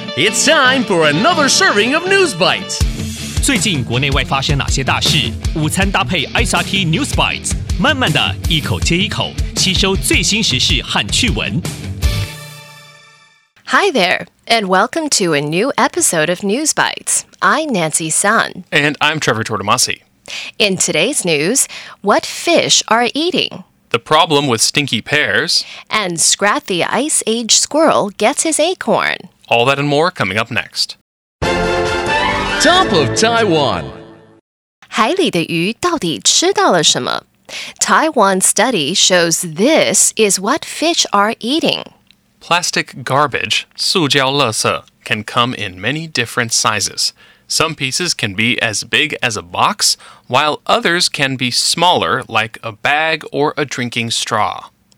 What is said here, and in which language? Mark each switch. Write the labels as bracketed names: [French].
[English] It's time for another serving of News Bites. [Chinese] 最近国内外发生哪些大事？午餐搭配 ICT News Bites， 慢慢的一口接一口，吸收最新时事和趣闻。 [English] Hi there, and welcome to a new episode of News Bites. I'm Nancy Sun. And I'm Trevor Tortomasi. In today's news, what fish are eating? The problem with stinky pears. And Scrat the Ice Age squirrel gets his acorn. All that and more coming up next. Top of Taiwan. [Chinese] 海里的鱼到底吃到了什么? [English] Taiwan Study shows this is what fish are eating. Plastic garbage, 塑膠垃圾, can come in many different sizes. Some pieces can be as big as a box, while others can be smaller, like a bag or a drinking straw.